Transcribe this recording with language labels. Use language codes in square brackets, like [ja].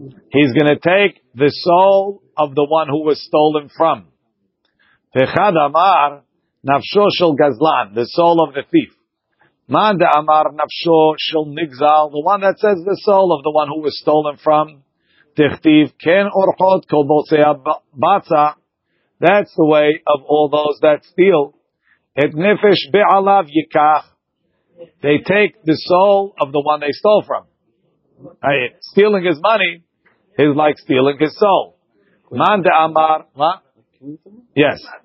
[en] He's going to take the soul of the one who was stolen from. [arc] Vechad amar nafsho shel gazlan, [en] the soul of the thief. [arc] Man de amar nafsho shel nigzal, [en] the one that says the soul of the one who was stolen from. [he] Dichtiv ken orchot kol botzea batza. [en] That's the way of all those that steal. [he] Et nefesh be'alav yikach. [en] They take the soul of the one they stole from. Right. Stealing his money is like stealing his soul. [arc] Man de amar, [en] what? Yes.